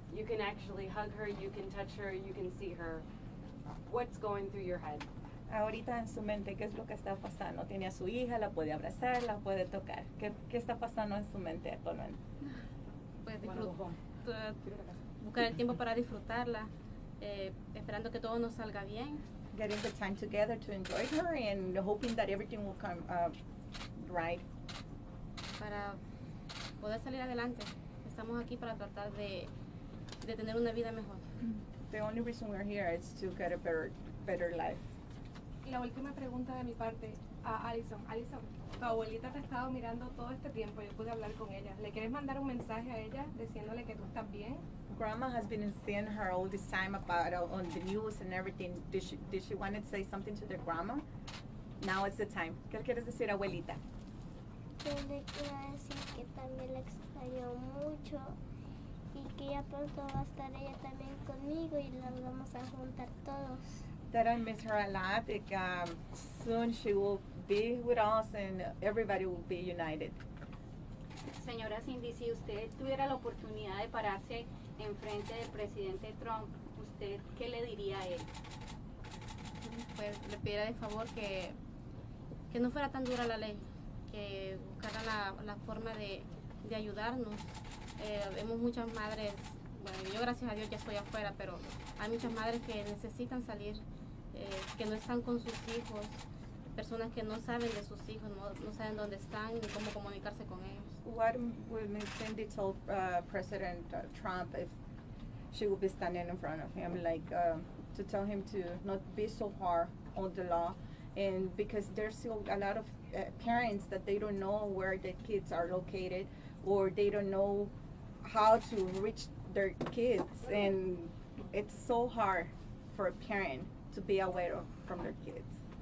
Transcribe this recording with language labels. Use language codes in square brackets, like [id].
[en] You can actually hug her, you can touch her, you can see her. What's going through your head? [es] Ahorita en su mente, ¿qué es lo que está pasando? Tiene a su hija, la puede abrazar, la puede tocar. ¿Qué está pasando en su mente actualmente? Pues disfrutar. Buscar el tiempo para disfrutarla, esperando que todo nos salga bien. [en] Getting the time together to enjoy her and hoping that everything will come right. [es] Para poder salir adelante. Estamos aquí para tratar de tener una vida mejor. [en] The only reason we're here is to get a better life. [es] La última pregunta de mi parte a Allison. Allison, tu abuelita te ha estado mirando todo este tiempo. Yo pude hablar con ella. ¿Le quieres mandar un mensaje a ella diciéndole que tú estás bien? [en] Grandma has been seeing her all this time about on the news and everything. Did she want to say something to the grandma? Now is the time. [es] ¿Qué quieres decir, abuelita? Yo le quiero decir que también la extraño mucho y que ya pronto va a estar ella también conmigo y las vamos a juntar todos. [en] That I miss her a lot, because soon she will be with us and everybody will be united. [es] Señora Cindy, si usted tuviera la oportunidad de pararse en frente del presidente Trump, ¿usted qué le diría a él? Pues le pidiera de favor que no fuera tan dura la ley, que buscara la forma de ayudarnos. Vemos muchas madres, bueno, yo gracias a Dios ya estoy afuera, pero hay muchas madres que necesitan salir, que no están con sus hijos, personas que no saben de sus hijos, no saben dónde están ni cómo comunicarse con ellos. [en] What would Ms. Cindy tell President Trump if she would be standing in front of him, like to tell him to not be so hard on the law, and because there's still a lot of parents that they don't know where their kids are located, or they don't know how to reach their kids, and it's so hard for a parent to be aware of from their kids.